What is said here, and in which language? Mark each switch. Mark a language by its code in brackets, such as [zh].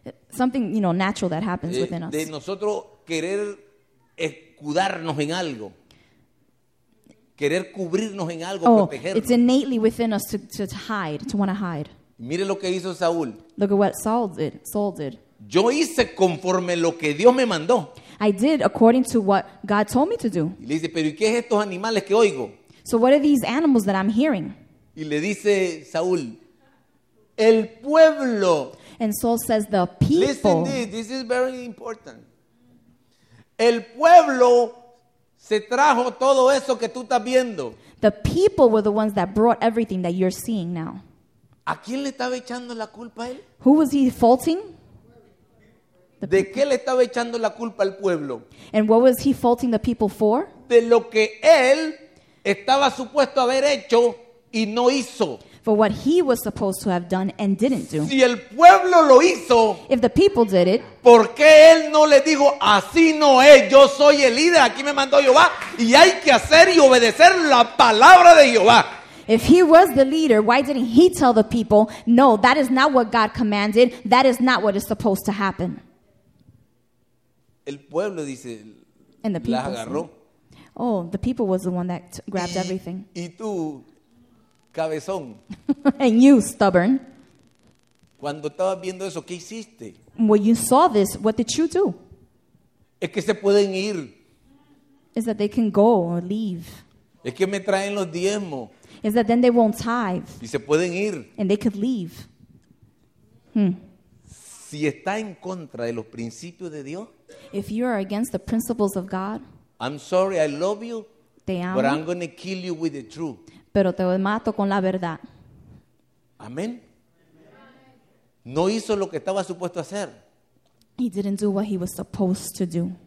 [en] Something, you know, natural that happens within us. [es] De nosotros querer escudarnos en algo. Querer cubrirnos en algo, protegernos. [en] It's innately within us to hide, to want to hide. [es] Mire lo que hizo Saúl. [en] Look at what Saul did. [es] Yo hice conforme lo que Dios me mandó. [en] I did according to what God told me to do. [es] Y le dice, pero ¿y qué es estos animales que oigo? [en] So what are these animals that I'm hearing? [es] Y le dice Saúl, el pueblo. [en] And Saul says, the people. Listen, this is very important. [es] El pueblo se trajo todo eso que tú estás viendo. [en] The people were the ones that brought everything that you're seeing now. [es] ¿A quién le estaba echando la culpa a él? [en] Who was he faulting? [es] ¿De qué le estaba echando la culpa al pueblo? [en] And what was he faulting the people for? [es] De lo que él estaba supuesto haber hecho y no hizo. [en] For what he was supposed to have done and didn't do. [es] Si el pueblo lo hizo, [en] if the people did it, [es] ¿por qué él no le dijo, así no es, yo soy el líder, aquí me mandó Jehová, y hay que hacer y obedecer la palabra de Jehová? [en] If he was the leader, why didn't he tell the people, no, that is not what God commanded, that is not what is supposed to happen? [es] El pueblo, dice, [en] and the people [es] la agarró. [en] Oh, the people was the one that grabbed everything. [es] Y tú, cabezón. [en] And you, stubborn. [es] Cuando estabas viendo eso, ¿qué hiciste? [en] When you saw this, what did you do? [es] Es que se pueden ir. [en] Is that they can go or leave. [es] Es que me traen los diezmos. [en] Is that then they won't tithe. [es] Y se pueden ir. [en] And they could leave. [es] Si está en contra de los principios de Dios. [en] If you are against the principles of God. I'm sorry, I love you. [es] Te amo. [en] But I'm going to kill you with the truth. [es] Pero te mato con la verdad. Amén. No hizo lo que estaba supuesto hacer. [en] He didn't do what he was supposed to do.